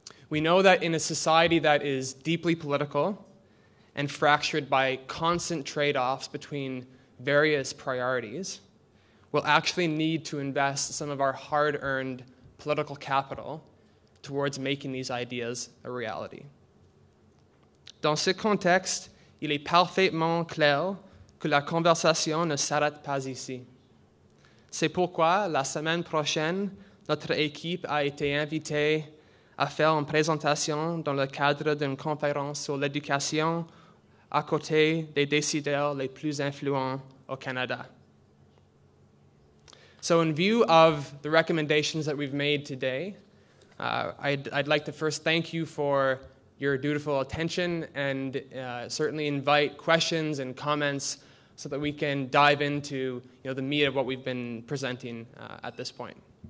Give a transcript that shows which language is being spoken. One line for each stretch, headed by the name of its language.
English: We know that in a society that is deeply political and fractured by constant trade-offs between various priorities, we'll actually need to invest some of our hard-earned political capital towards making these ideas a reality.
French: Dans ce contexte, il est parfaitement clair que la conversation ne s'arrête pas ici. C'est pourquoi, la semaine prochaine, notre équipe a été invitée à faire une présentation dans le cadre d'une conférence sur l'éducation à côté des décideurs les plus influents au Canada.
English: So in view of the recommendations that we've made today, I'd like to first thank you for your dutiful attention and certainly invite questions and comments so that we can dive into, you know, the meat of what we've been presenting at this point.